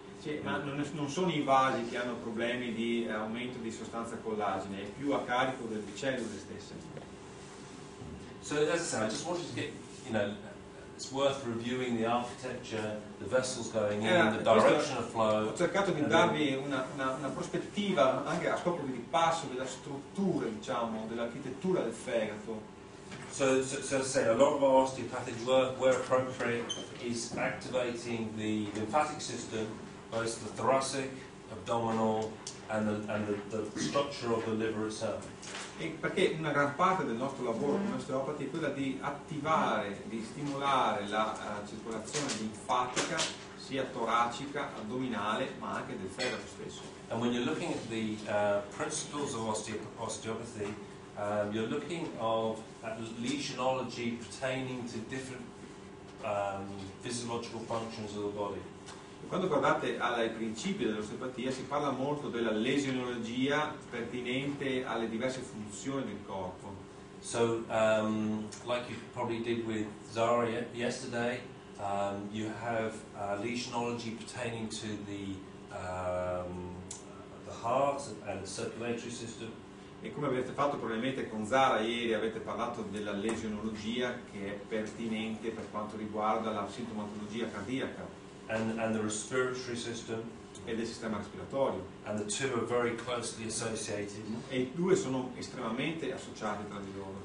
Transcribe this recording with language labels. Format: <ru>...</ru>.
<it>Sì, ma non sono I vasi che hanno problemi di aumento di sostanza collagene, è più a carico delle cellule stesse.</it> <en>So as I said, I just wanted to get, you know, it's worth reviewing the architecture, the vessels going in, the direction of flow.</en> <it>Ho cercato di darvi una prospettiva anche a scopo di ripasso della struttura, diciamo, dell'architettura del fegato.</it> <en>So as I said, a lot of our osteopathic work, where appropriate, is activating the lymphatic system, both the thoracic, abdominal, and the structure of the liver itself.</en> <it>E perché una gran parte del nostro lavoro come osteopati è quella di attivare, di stimolare la circolazione linfatica, sia toracica, addominale, ma anche del fegato stesso.</it> <en>And when you're looking at the principles of osteopathy, you're looking at lesionology pertaining to different physiological functions of the body.</en> <it>Quando guardate ai principi dell'osteopatia si parla molto della lesionologia pertinente alle diverse funzioni del corpo.</it> <en>So, like you probably did with Zaria yesterday, you have lesionology pertaining to the heart and the circulatory system.</en> <it>E come avete fatto probabilmente con Zara ieri, avete parlato della lesionologia che è pertinente per quanto riguarda la sintomatologia cardiaca.</it> <en>And the respiratory system,</en> <it>e del sistema respiratorio.</it> <en>And the two are very closely associated.</en> <it>E I due sono estremamente associati tra di loro.</it>